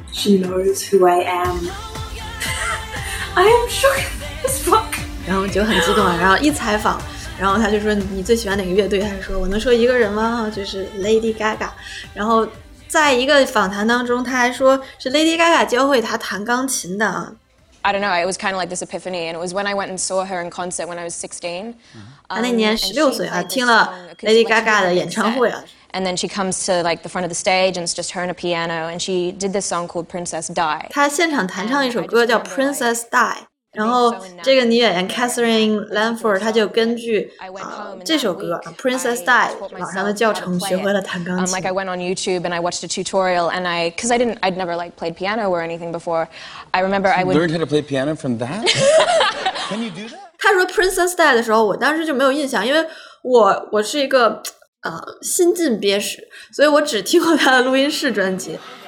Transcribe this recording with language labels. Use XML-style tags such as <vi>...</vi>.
<en>She knows who I am. I am shocked as fuck.</en> <zh>然后就很激动，然后一采访，然后他就说你最喜欢哪个乐队，他就说我能说一个人吗，就是 Lady Gaga。然后在一个访谈当中他还说是 Lady Gaga 教会他弹钢琴的。</zh> <en>I don't know, it was kind of like this epiphany, and it was when I went and saw her in concert when I was 16.</en> <zh>他那年16岁啊，听了 Lady Gaga 的演唱会啊。</zh> <en>And then she comes to like the front of the stage, and it's just her and a piano, and she did this song called Princess Die.</en> <zh>他现场弹唱一首歌叫 Princess Die。然后这个女演员 Catherine Langford 她就根据这首歌 Princess Die 网上的教程学会了弹钢琴。</zh> <en>Like I went on YouTube and I watched a tutorial and I, because I didn't, I'd never like played piano or anything before. I remember I would learned how to play piano from that. Can you do that?</en> <zh>她说 Princess Die 的时候，我当时就没有印象，因为我是一个新晋憋屎，所以我只听过她的录音室专辑。</zh>